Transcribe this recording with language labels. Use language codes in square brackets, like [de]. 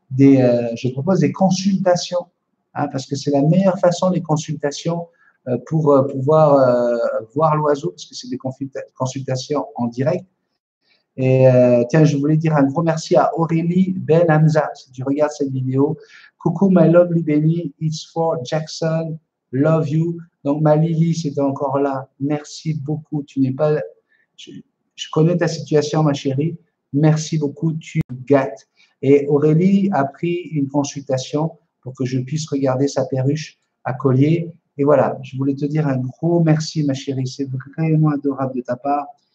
[fr] je propose des consultations, hein, parce que c'est la meilleure façon, les consultations, pour pouvoir voir l'oiseau, parce que c'est des consultations en direct. Et tiens, je voulais dire un gros merci à Aurélie Ben Hamza, si tu regardes cette vidéo. Coucou, [en] my lovely Benny, it's for Jackson, love you. [fr] Donc, ma Lily, c'est encore là. Merci beaucoup. Tu n'es pas. Je connais ta situation, ma chérie. Merci beaucoup, tu gâtes. Et Aurélie a pris une consultation pour que je puisse regarder sa perruche à collier. Et voilà, je voulais te dire un gros merci, ma chérie. C'est vraiment adorable de ta part.